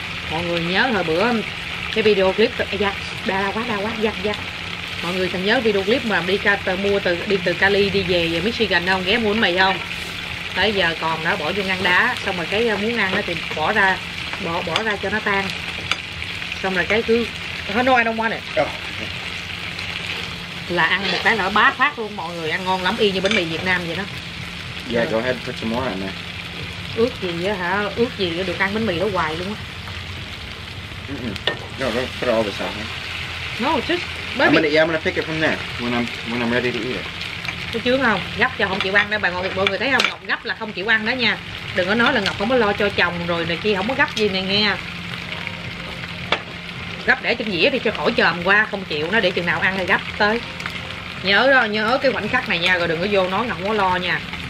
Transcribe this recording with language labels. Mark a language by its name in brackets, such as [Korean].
[Vietnamese] Mọi người nhớ hồi bữa cái video clip, đa quá. Mọi người thường nhớ video clip mà đi từ Cali đi về Michigan không, ghé mua bánh mì không? Tới giờ còn đó, bỏ vô ngăn đá, xong rồi cái muốn ăn thì bỏ ra cho nó tan. Xong rồi cái cứ [English] no, I don't want it. [Vietnamese] Là ăn một cái nữa bá phát luôn mọi người, ăn ngon lắm, y như bánh mì Việt Nam vậy đó. [English] Yeah, go ahead, put some more on there. [Vietnamese] Ước gì á hả, ước gì được ăn bánh mì đó hoài luôn á. [English] No, don't put all this on there. No, just baby. I'm gonna pick it from there when I'm ready to eat it. [Vietnamese] Có chướng không, gấp cho không chịu ăn đó. Mọi người thấy không, Ngọc gấp là không chịu ăn đó nha. Đừng có nói là Ngọc không có lo cho chồng rồi này kia, không có gấp gì này nghe. Gấp để trên dĩa đi cho khỏi chòm qua, không chịu nó, để chừng nào ăn thì gấp tới. Nhớ đó, nhớ cái khoảnh khắc này nha, rồi đừng có vô nói Ngọc không có lo nha.